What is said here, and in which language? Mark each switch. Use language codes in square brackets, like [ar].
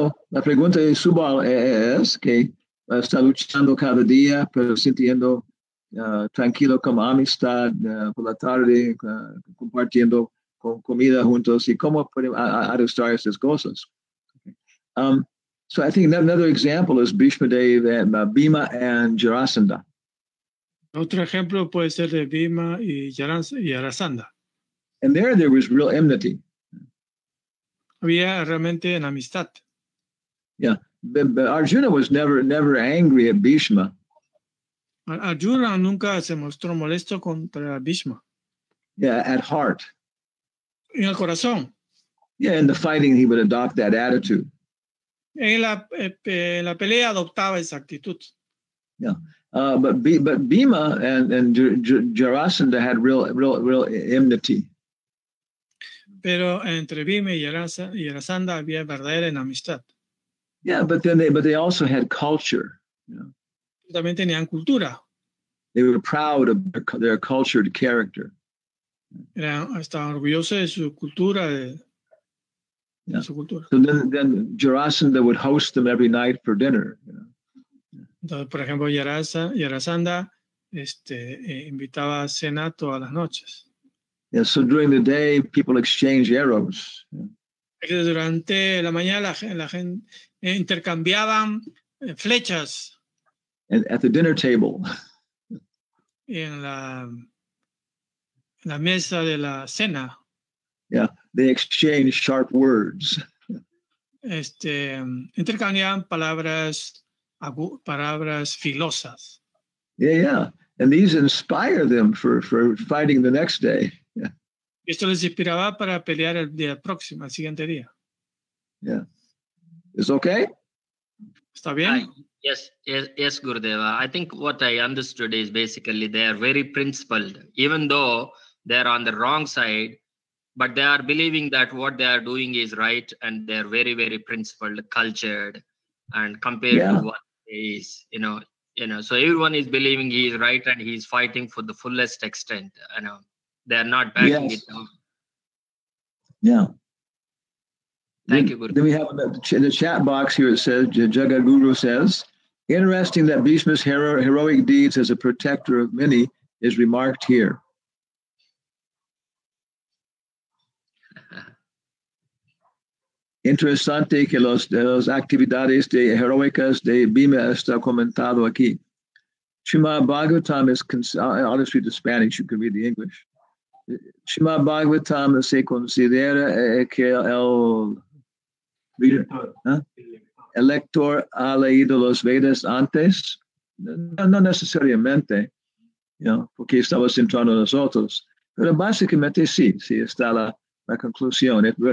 [es] La pregunta de Subal es que está luchando cada día, pero sintiendo tranquilo como amistad por la tarde, compartiendo comida juntos, y cómo arrestar esas cosas. [en] Okay. So I think another example is Bhishma Dev and Bhima and Jarasandha. [es] Otro ejemplo puede ser de Bhima y Jarasandha. [en] And there was real enmity. [es] Había realmente en amistad. [en] Yeah, but Arjuna was never angry at Bhishma. [es] Arjuna nunca se mostró molesto contra Bhishma. [en] Yeah, at heart. [es] En el corazón. [en] Yeah, in the fighting he would adopt that attitude. [es] En la pelea adoptaba esa actitud. [en] Yeah, but Bhima and Jarasandha had real enmity. [es] Pero entre Bhima y Jarasandha había verdadera enemistad. [en] Yeah, but they also had culture. You know? [es] También tenían cultura. [en] They were proud of their cultured character. [es] Estaban orgullosos de su cultura. Su cultura. [en] So then Jarasandha would host them every night for dinner. You know? [es] Entonces, por ejemplo, Jarasandha invitaba a cena todas las noches. [en] Yeah, so during the day, people exchange arrows. [es] Durante la mañana, la gente intercambiaban flechas. [en] And at the dinner table. [es] En la mesa de la cena. [en] Yeah, they exchange sharp words. [es] Intercambiaban palabras filosas. [en] Yeah, and these inspire them for fighting the next day. [es] Esto les inspiraba para pelear el día próximo, el siguiente día. [en] Yeah. Is okay? [es] ¿Está bien? [en] Yes, Gurudeva. I think what I understood is basically they are very principled, even though they are on the wrong side, but they are believing that what they are doing is right, and they are very, very principled, cultured, and compared to what he is, you know. So everyone is believing he is right, and he is fighting for the fullest extent, you know. They are not backing it down. Yeah. Thank you, Guru. Then we have in the chat box here, it says, Jagat Guru says, interesting that Bhishma's heroic deeds as a protector of many is remarked here. [es] Interesante que las actividades de heroicas de Bhima está comentado aquí. [en] Srimad Bhagavatam is, I'll just read the Spanish, you can read the English. [es] Srimad Bhagavatam se considera que el lector ha leído los Vedas antes, no necesariamente, [en] you know, [es] porque estaba centrando en nosotros, pero básicamente sí está la conclusión.